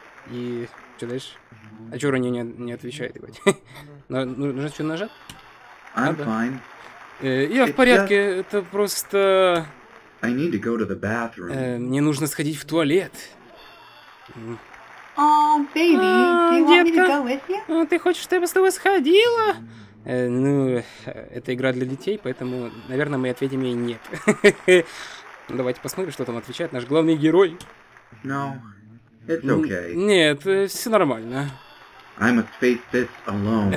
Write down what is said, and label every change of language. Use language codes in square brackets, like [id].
[ru] И что дальше? А что Ронни не отвечает? Нужно что-то нажать? [en] I'm fine. [ru] Я в порядке, это просто... [en] I need to go to the bathroom. [ru] Мне нужно сходить в туалет. [en] Oh, baby, do you want me to go with you? [ru] Ты хочешь, чтобы я с тобой сходила? Ну, это игра для детей, поэтому, наверное, мы ответим ей нет. Давайте посмотрим, что там отвечает наш главный герой. [en] No, it's okay. [ru] Нет, все нормально. [en] I must face this alone.